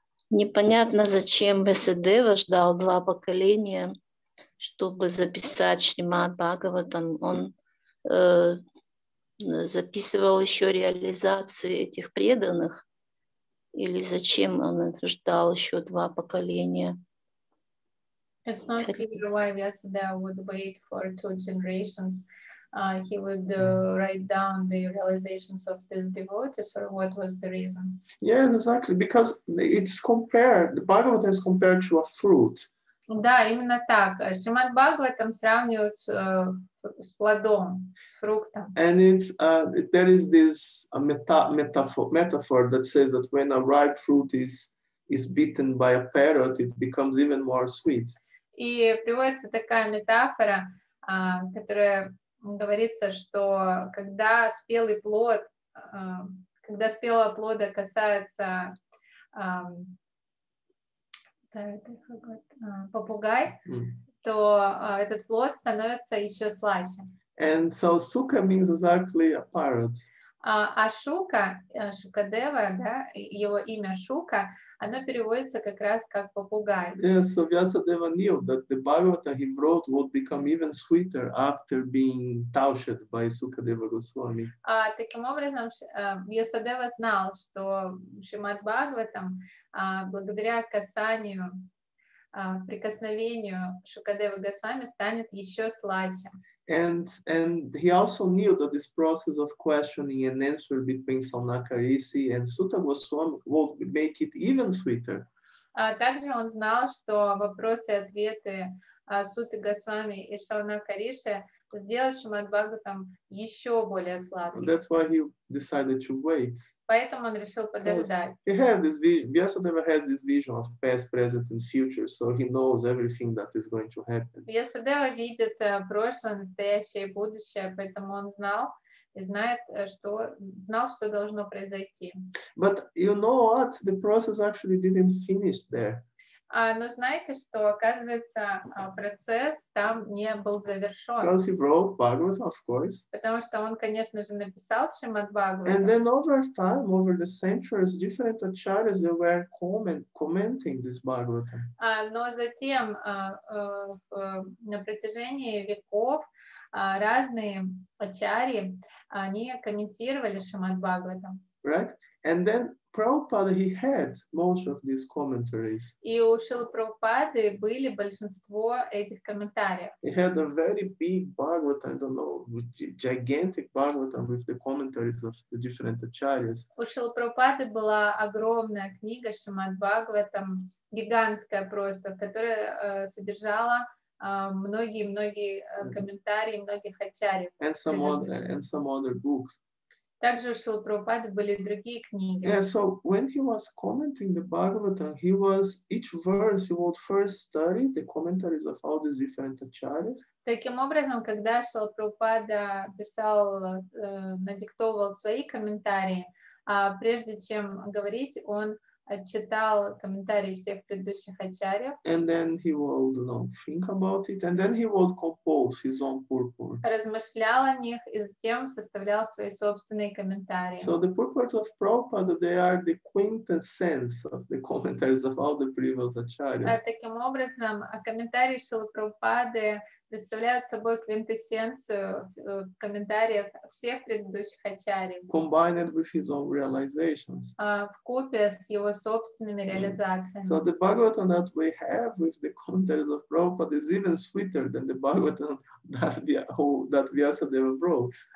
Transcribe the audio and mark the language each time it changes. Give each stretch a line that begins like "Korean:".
Russian: Непонятно, зачем Вьясадева ждал два поколения, чтобы записать Шримад Бхагаватам. Он записывал еще реализации этих преданных? Или зачем он ждал еще два поколения?
English: It's not clear why Vyasadeva would wait for two generations. He would write down the realizations of these devotees, or what was the reason? Yes, exactly, because it's compared, the Bhagavata is compared to a fruit.
Russian: Да, именно так. Шримад Бхагаватам сравнивают с плодом, с фруктом.
English: And it's there is this metaphor that says that when a ripe fruit is beaten by a parrot, it becomes even more sweet.
Russian: И приводится такая метафора, которая говорится, что когда спелый плод, когда спелого плода касается
English: Parrot, I forgot.
Russian: Попугай. То этот плод становится еще слаще.
English: And so сука means exactly a parrot.
Russian: А шука, шукадева, да, его имя шука, оно переводится как раз как попугай.
English: Yes, so Vyasadeva knew that the Bhagavatam he wrote would become even sweeter after being touched by Sukadeva Goswami.
Russian: Таким образом, Vyasadeva знал, что Шримад Бхагаватам, благодаря касанию, прикосновению Шукадевы Госвами станет еще слаще.
English: And he also knew that this process of questioning and answer between Saunakarisi and Sutta Goswami would make it even sweeter.
Russian: Также он знал, что вопросы-ответы Сутты Госвами и Саунакариши сделают Шримад Бхагаватам еще более сладким.
English: That's why he decided to wait.
Russian: Поэтому он решил подождать.
English: He had this vision. Vyasadeva has this vision of past, present, and future, so he knows everything that is going to happen.
Russian: Vyasadeva видит прошлое, настоящее и будущее, поэтому он знал и знает, что должно произойти.
English: But you know what? The process actually didn't finish there.
Russian: Но знаете, что оказывается процесс там не был завершен.
English: Because he wrote Bhagavatam, of course.
Russian: Потому что он, конечно же, написал Шримад Бхагаватам.
English: And then over time, over the centuries, different acharyas they were commenting this Bhagavatam.
Russian: Но затем на протяжении веков разные ачарьи они комментировали Шримад Бхагаватам.
English: Right, and then Prabhupada, he had most of these commentaries.
Russian: И у Шрилы Прабхупады были большинство этих комментариев.
English: He had a very big Bhagavatam, I don't know, gigantic Bhagavatam with the commentaries of the different acharyas.
Russian: У Шрилы Прабхупады была огромная книга Шримад Бхагаватам, гигантская просто, которая содержала многие-многие комментарии многих ачарьев.
English: And some other books.
Russian: Также у Шрилы Прабхупады были другие книги.
English: Yeah, so when he was commenting the Bhagavatam, he was each verse he would first study the commentaries of all these different acharyas.
Russian: Таким образом, когда Шрила Прабхупада писал, надиктовывал свои комментарии, прежде чем говорить, он читал комментарии всех предыдущих ачарьев.
English: And then he would, you know, think about it, and then he would compose his own purport.
Russian: Размышлял о них и затем составлял свои собственные комментарии.
English: So the purports of Prabhupada, they are the quintessence of the commentaries of all the previous acharyas.
Russian: Таким образом, комментарии Шрилы Прабхупады представляют собой квинтэссенцию комментариев всех предыдущих ачарьев.
English: Combined with his own realizations.
Russian: Вкупе с его собственными реализациями.
English: So the Bhagavatam that we have with the commentaries of Prabhupada is even sweeter than the Bhagavatam that Vyasadeva wrote.